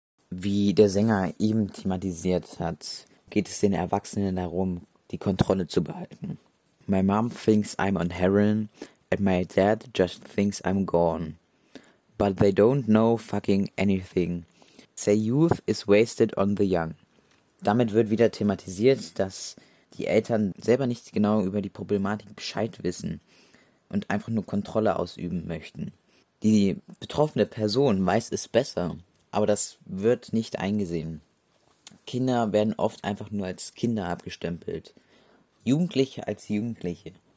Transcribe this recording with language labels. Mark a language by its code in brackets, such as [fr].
[de] Wie der Sänger eben thematisiert hat, geht es den Erwachsenen darum, die Kontrolle zu behalten. [en] My mom thinks I'm on heroin and my dad just thinks I'm gone. But they don't know fucking anything. Say youth is wasted on the young. [de] Damit wird wieder thematisiert, dass die Eltern selber nicht genau über die Problematik Bescheid wissen und einfach nur Kontrolle ausüben möchten. Die betroffene Person weiß es besser, aber das wird nicht eingesehen. Kinder werden oft einfach nur als Kinder abgestempelt. Jugendliche als Jugendliche.